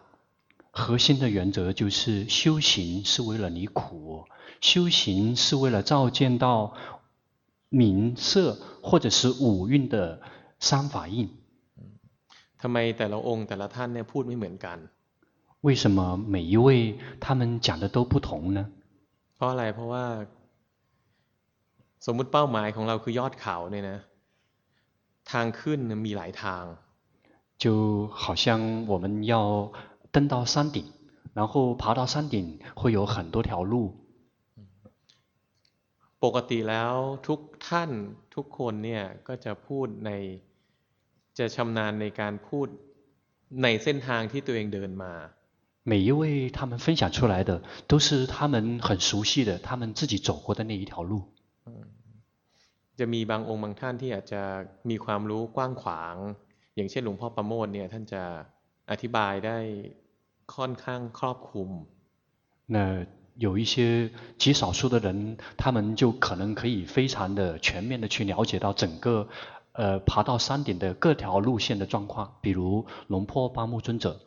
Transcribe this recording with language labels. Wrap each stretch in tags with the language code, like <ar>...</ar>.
<zh>核心的原则就是修行是为了离苦修行是为了照见到名色或者是五蕴的三法印</zh> <th>ทำไมแต่ละองค์แต่ละท่านเนี่ยพูดไม่เหมือนกัน</th> <zh>为什么每一位他们讲的都不同呢</zh> <th>เพราะอะไรเพราะว่าสมมุติเป้าหมายของเราคือยอดเขาเนี่ยนะทางขึ้นมีหลายทาง</th> <zh>就好像我们要登到山顶然后爬到山顶会有很多条路</zh> <th>ปกติแล้วทุกท่านทุกคนเนี่ยก็จะพูดในจะชำนาญในการพูดในเส้นทางที่ตัวเองเดินมา</th> <zh>每一位他们分享出来的都是他们很熟悉的他们自己走过的那一条路</zh> <th>จะมีบางองค์บางท่านที่อาจจะมีความรู้กว้างขวางอย่างเช่นหลวงพ่อประโมทเนี่ยท่านจะอธิบายได้ค่อนข้างครอบคลุม</th> <zh>那有一些极少数的人他们就可能可以非常的全面的去了解到整个爬到山顶的各条路线的状况比如龙坡巴木尊者</zh>